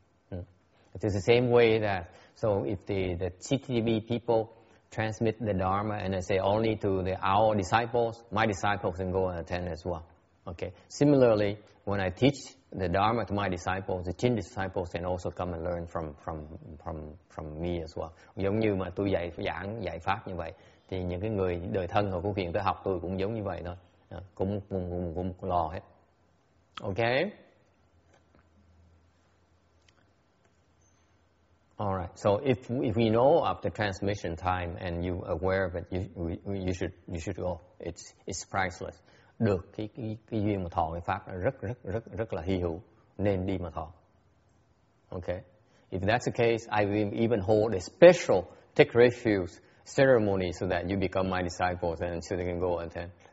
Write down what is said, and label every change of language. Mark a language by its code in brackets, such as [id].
[en] It's the same way that so if the CTTB people transmit the Dharma and they say only to our disciples, my disciples can go and attend as well. Okay. Similarly, when I teach the Dharma to my disciples, the Qin disciples can also come and learn from me as well. [vi] Giống như mà tôi dạy pháp như vậy. Thì những cái người đời thân họ cũng hiện tới học tôi cũng giống như vậy thôi. Cũng lo hết. Ok. [en] Alright. So if we know of the transmission time and you aware of it, you should go. It's priceless. [vi] Được cái duyên mà thọ cái pháp rất rất rất rất là hy hữu. Nên đi mà thọ. Ok. [en] If that's the case, I will even hold a special take refuge ceremony so that you become my disciples and so they can go and attend.